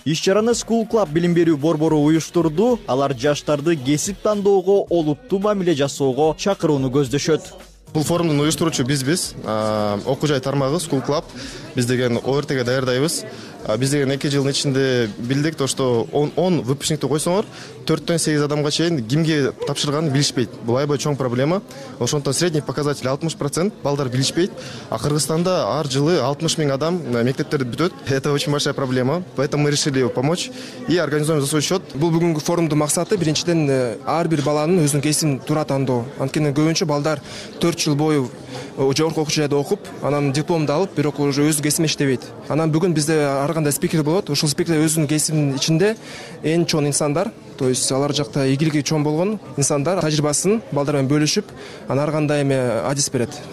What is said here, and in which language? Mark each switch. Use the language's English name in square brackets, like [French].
[Kyrgyz] Иш чараны School Club билим берүү борбору уюштурду. Алар жаштарды кесип тандоого олуттуу мамиле жасоого чакырууну көздөшөт. Бул форумдун уюштуруучу бизбиз. Окуу жай тармагы School Club. Биз деген ОРТ'ге даярдайбыз. Биз деген 2 жылдын ичинде билдик [Russian] то, что [Kyrgyz] 10 выпускникти койсоңор 4-тен 8 адамга чейин кимге тапшырганын билишпейт. Бул аябай чоң проблема. Ошондон [Russian] средний показатель [Kyrgyz] 60% балдар билишпейт. А Кыргызстанда ар жылы 60,000 адам мектептерди бүтөт. [Russian] Это очень большая проблема. Поэтому мы решили помочь и организуем за свой счёт. [Kyrgyz] Бул бүгүнкү форумдун максаты биринчиден ар бир баланын өзүнүн кесибин туура тандоо. Анткени көбүнчө балдар 4 жыл бою жогорку окуу жайда окуп, анан дипломду алып, бирок уже өз кесибин иштебейт. Анан бүгүн бизде ар кандай спикер болот. Ошол спикер өзүнүн кесибинин ичинде эң чоң инсандар, [Russian] то есть [Kyrgyz] алар жакта ийгилиги чоң болгон инсандар тажрыйбасын балдар менен бөлүшүп, анан ар кандай эме адис берет.